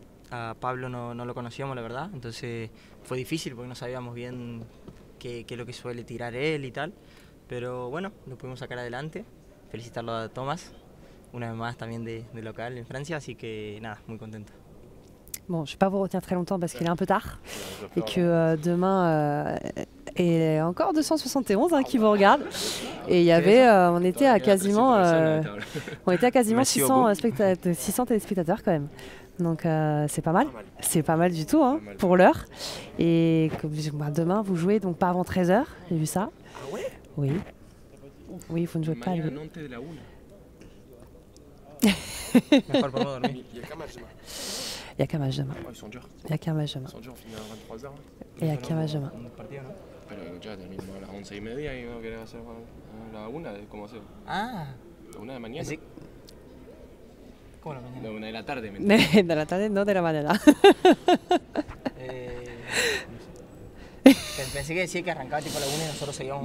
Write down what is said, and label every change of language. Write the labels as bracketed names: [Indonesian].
[Spanish] A Pablo no lo conocíamos, la verdad, entonces fue difícil porque no sabíamos bien qué es lo que suele tirar él y tal. Pero bueno, lo pudimos sacar adelante. Felicitarlo a Tomás, una vez más también de local en Francia, así que nada, muy contento. [French] Bon, je ne vais pas vous retenir très longtemps parce qu'il est un peu tard et que demain, il y a encore 271 hein, qui vous regardent. Et il y avait, on était à quasiment, on était à quasiment 600 téléspectateurs quand même. Donc c'est pas mal, c'est pas mal du tout hein, pour l'heure. Et demain, vous jouez donc pas avant 13h, j'ai vu ça. Ah ouais ? Oui. Oui, vous ne jouez pas. Lui. Il n'y a qu'un match demain. Ils sont durs. Il n'y a qu'un match demain. Ils sont durs, on finit à 23h. Il n'y a qu'un match demain. [Spanish] Pero ya terminó a las 11:30 y no quieren hacer la una, ¿cómo hacer? Ah. La una de mañana. Así. ¿Cómo la mañana? La una de la tarde. De la tarde, no de la mañana. Pensé que decía que arrancaba tipo la una y nosotros seguíamos.